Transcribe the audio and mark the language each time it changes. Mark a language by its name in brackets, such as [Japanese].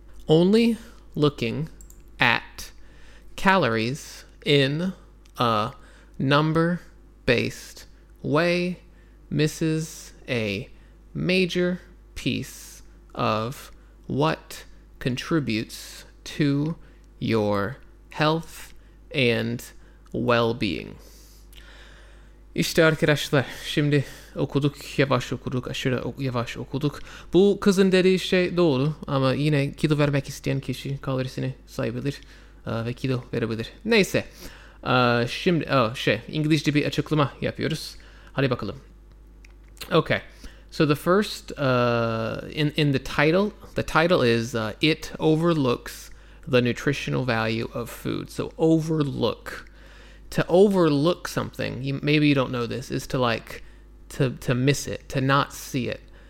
[English] Only looking at calories in a number-based way misses a major piece of what contributes to your health and well-being. [Turkish] İşte arkadaşlar, şimdi okuduk, yavaş okuduk, aşırı yavaş okuduk. Bu kızın dediği şey doğru ama yine kilo vermek isteyen kişi kalorisini sayabilir ve kilo verebilir. Neyse, şimdi İngilizce bir açıklama yapıyoruz. Hadi bakalım. [English] Okay, so the first, in the title is, it overlooks the nutritional value of food. So overlook. To overlook something, maybe you don't know this, is to like to miss it, to not see it.